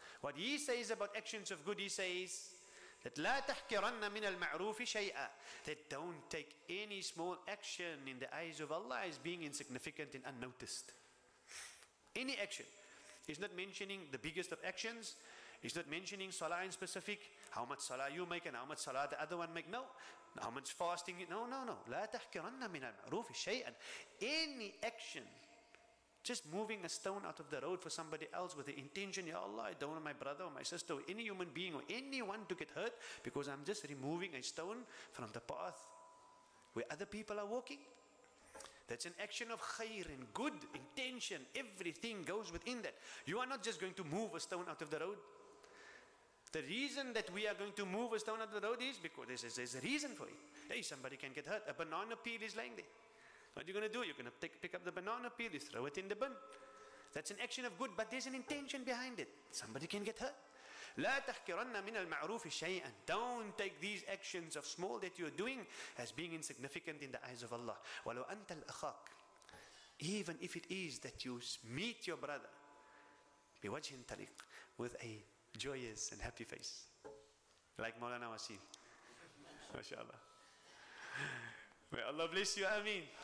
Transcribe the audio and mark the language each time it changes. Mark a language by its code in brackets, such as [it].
[en] What he says about actions of good, he says that [ar] لا تحكرن من المعروف شيئا, [en] that don't take any small action in the eyes of Allah as being insignificant and unnoticed. Any action. He's not mentioning the biggest of actions. He's not mentioning salah in specific. How much salah you make and how much salah the other one make. No. How much fasting. No. [ar] لا تحكرن من المعروف شيئا. [en] Any action. Just moving a stone out of the road for somebody else with the intention, Ya Allah, I don't want my brother or my sister or any human being or anyone to get hurt, because I'm just removing a stone from the path where other people are walking. That's an action of khair and good intention. Everything goes within that. You are not just going to move a stone out of the road. The reason that we are going to move a stone out of the road is because there's a reason for it. Hey, somebody can get hurt. A banana peel is laying there. What are you going to do? You're going to pick up the banana peel, you throw it in the bin. That's an action of good, but there's an intention behind it. Somebody can get hurt. [ar] لا تحكرن من المعروف شيئا. [en] Don't take these actions of small that you're doing as being insignificant in the eyes of Allah. [ar] ولو أنت الأخاك. [en] Even if it is that you meet your brother [ar] بوجه طريق, [en] with a joyous and happy face. Like Maulana Wasim. MashaAllah. May Allah bless you. Ameen.